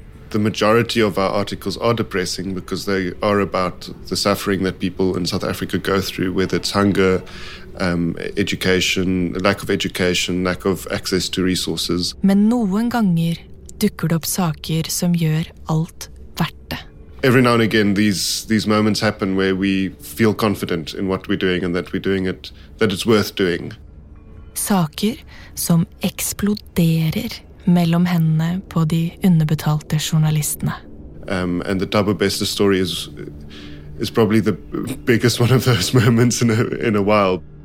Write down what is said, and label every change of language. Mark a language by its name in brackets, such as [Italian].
[English] The majority of our articles are depressing because they are about the suffering that people in South Africa go through, whether it's hunger, education, lack of access to resources. [Norwegian] Men noen ganger dukker det opp saker som gjør alt verdt det. [English] Every now and again, these moments happen where we feel confident in what we're doing and that we're doing it, that it's worth doing. [Norwegian] Saker som eksploderer mellom hendene på de underbetalte journalistene. [English] And the Tabubesta story is probably the biggest one of those moments in a while.